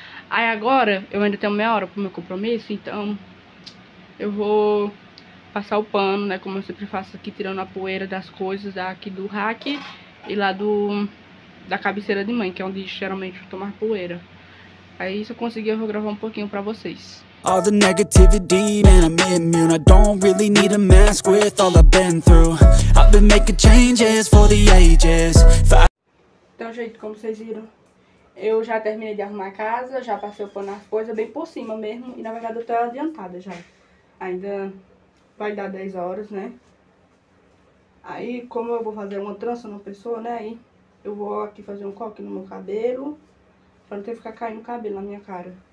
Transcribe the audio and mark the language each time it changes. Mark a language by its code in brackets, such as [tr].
[pt] Aí agora, eu ainda tenho meia hora pro meu compromisso, então eu vou passar o pano, né? Como eu sempre faço aqui, tirando a poeira das coisas aqui do rack e lá da cabeceira de mãe, que é onde geralmente eu tomo a poeira. Aí se eu conseguir, eu vou gravar um pouquinho pra vocês. [en] All the negativity, man, I'm immune. I don't really need a mask with all I've been through. I've been making changes for the ages. [pt] Então, gente, como vocês viram, eu já terminei de arrumar a casa, já passei o pano nas coisas bem por cima mesmo. E, na verdade, eu tô adiantada já. Ainda vai dar 10 horas, né? Aí, como eu vou fazer uma trança numa pessoa, né? Aí eu vou aqui fazer um coque no meu cabelo, pra não ter que ficar caindo o cabelo na minha cara.